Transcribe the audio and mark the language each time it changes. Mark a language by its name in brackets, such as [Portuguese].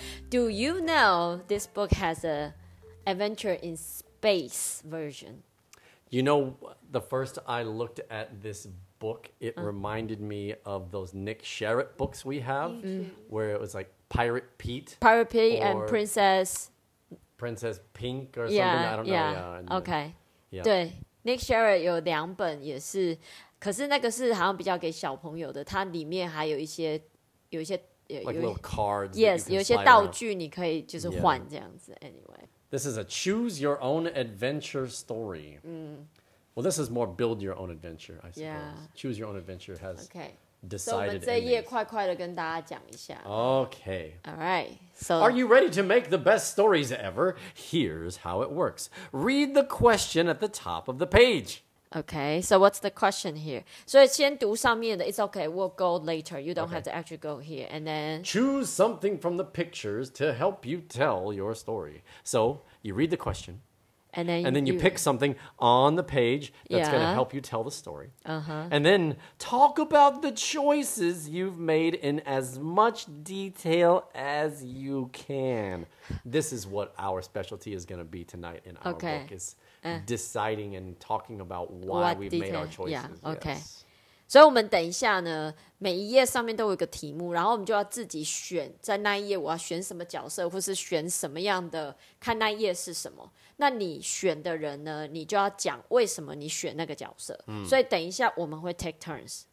[English] Do you know this book has an adventure in space version? You know, the first I looked at this book, it reminded me of those Nick Sherritt books we have, where it was like Pirate Pete. Pirate Pete and Princess... Princess Pink or something, I don't know. Okay. Yeah. [Chinese] 对, Nick Sherritt 有两本也是,可是那个是好像比较给小朋友的,它里面还有一些,有一些, [English] like little cards. [Chinese] Yes, 有一些道具你可以就是换这样子, anyway. [English] This is a choose your own adventure story. Well, this is more build your own adventure, I suppose. Yeah. Choose your own adventure has okay. decided [Chinese] So, 我们这页快快的跟大家讲一下。 [English] Okay. All right. So, are you ready to make the best stories ever? Here's how it works. Read the question at the top of the page. Okay. So, what's the question here? So, [Chinese] 先读上面的 [English] It's okay. We'll go later. You don't have to actually go here. And then... Choose something from the pictures to help you tell your story. So, you read the question. And then you pick something on the page that's going to help you tell the story. And then talk about the choices you've made in as much detail as you can. This is what our specialty is going to be tonight in our book, is deciding and talking about why what we've detail? Made our choices. Yeah, okay. [Chinese] So, 我们等一下呢，每一页上面都有一个题目，然后我们就要自己选，在那一页我要选什么角色，或是选什么样的，看那一页是什么。那你选的人呢，你就要讲为什么你选那个角色。所以等一下我们会 [English] take turns.